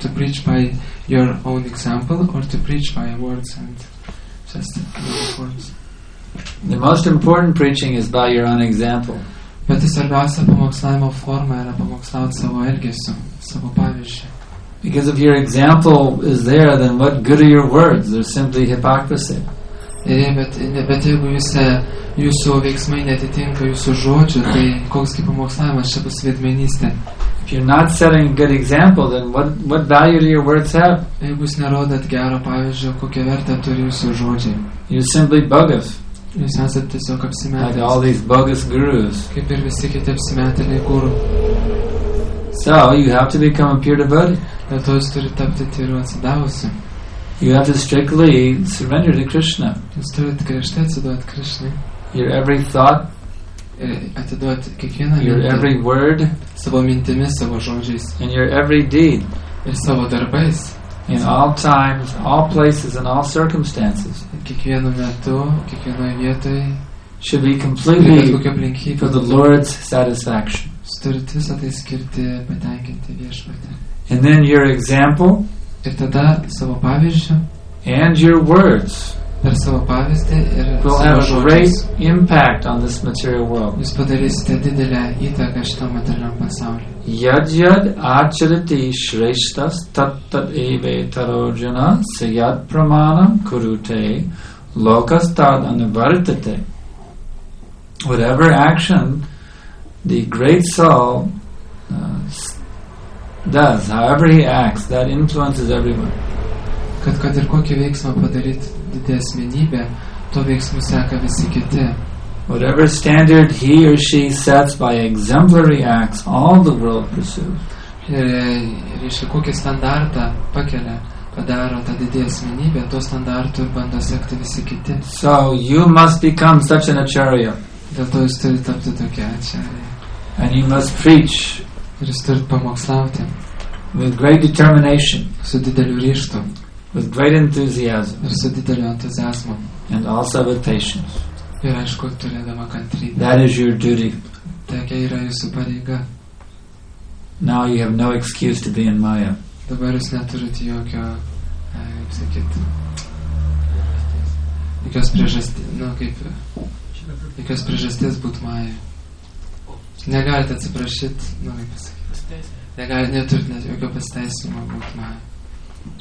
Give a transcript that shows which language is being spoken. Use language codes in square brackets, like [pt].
[en] To preach by your own example or to preach by words and just words? The most important preaching is by your own example. [lt] Bet svarbiausia pamokslavimo forma yra pamokslauti savo elgesiu, savo pavyzdžiu. [en] Because if your example is there, then what good are your words? They're simply hypocrisy. [lt] Bet jeigu jūsų veiksmai netitinka jūsų žodžių, tai koks kaip pamokslavimas čia bus veidmainystė? [en] If you're not setting a good example, then what value do your words have? [lt] Jeigu jūs nerodat gero pavyzdžio, kokią vertę turi jūsų žodžiai? [en] You're simply bogus. [lt] Jūs esat tiesiog apsimetęs. [en] Like all these bogus gurus. [lt] Kaip ir visi kiti apsimetėliai guru. [en] So, you have to become a pure devotee. [lt] Dėl to jūs turi tapti tyru atsidavusiu. [en] You have to strictly surrender to Krishna. [lt] Jūs turit griežtai atsiduoti Krishnai. [en] Your every thought. [lt] Atiduoti kiekvieną mintį. [en] Your every word. [lt] Savo mintimis, savo žodžiais. [en] And your every deed. [lt] Ir savo darbais. [en] In all times, all places, and all circumstances. [lt] Kiekvienu metu, kiekvienoje vietoje. [en] Should be completely for the Lord's satisfaction. [lt] Turit visą tai skirti, patenkinti viešpatį. [en] And then your example. [lt] Ir tada savo pavyzdžio. [en] And your words. [lt] Per savo pavyzdį ir savo [en] Will have a great impact on this material world. [lt] Jūs padarysite didelę įtaką šito materialiam pasaulyje. [sa] Yad yad acharati shreshtas tat tat eve tarojana sayad pramanam kurute lokas tad anuvartate. [en] Whatever action the great soul does, however he acts, that influences everyone. [lt] Kad ir kokį veiksmą padaryt didė asmenybė, to veiksmų seka visi kiti. [en] Whatever standard he or she sets by exemplary acts, all the world pursues. [lt] Ir iš kokį standartą pakelia, padaro tą didį asmenybę, to standartų ir bando sekti visi kiti. [en] So you must become such an acharya. [lt] Dėl to jūs turite tapti tokia acharya. [en] And you must preach. [lt] Ir jūs turite pamokslauti. [en] With great determination. [lt] Su dideliu ryštu. [en] With great enthusiasm. [lt] Ir su dideliu entuziasmu. [en] And also with patience. [lt] Ir aišku, turėdama kantrybę. [en] That is your duty. [lt] Tokia yra jūsų pareiga. [en] Now you have no excuse to be in Maya. [lt] Dabar jūs neturite jokio, kaip sakyt, jokios priežasties būt Maya. Negalite atsiprašyti, kaip sakyt. Neturite jokio pasiteisimo būt Maya.